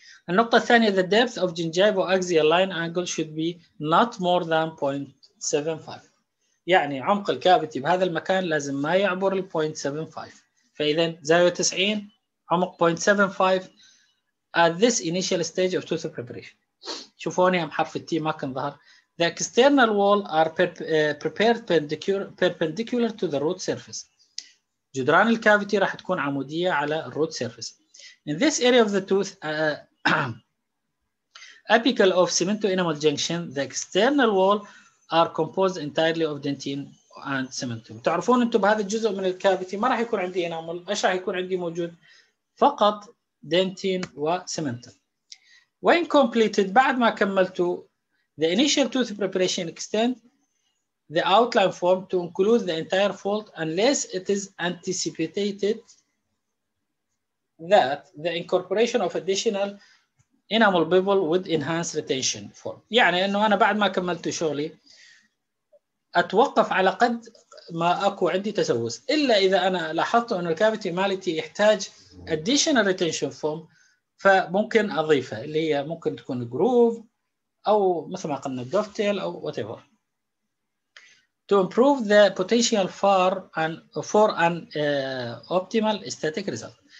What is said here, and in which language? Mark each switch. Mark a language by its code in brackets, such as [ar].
[ar] النقطة الثانية [en] the depth of gingival axial line angle should be not more than 0.75. [ar] يعني عمق الكافيتي بهذا المكان لازم ما يعبر ال 0.75. فإذا زاوية 90 عمق 0.75 [en] at this initial stage of tooth preparation. [ar] شوفوني أم حرف التي ما كان ظهر. [en] The external wall are prepared perpendicular to the root surface. [ar] جدران الكافيتي راح تكون عمودية على root surface. [en] In this area of the tooth, apical of cemento enamel junction, the external wall are composed entirely of dentin and cemento. [ar] تعرفون أنتم بهذا الجزء من الكافيتي ما راح يكون عندي enamel. إيش راح يكون عندي موجود؟ فقط dentin وسيمنتو. [en] When completed, [ar] بعد ما كملتوا [en] the initial tooth preparation extend the outline form to include the entire fold unless it is anticipated that the incorporation of additional enamel bevel would enhance retention form. [ar] يعني انه انا بعد ما كملت شغلي اتوقف على قد ما اكو عندي تسوس الا اذا انا لاحظت انه الكافيتي مالتي يحتاج additional retention form فممكن اضيفها اللي هي ممكن تكون جروف أو مثل ما قلنا دوفتيل أو [en] whatever to improve the potential for an optimal aesthetic result.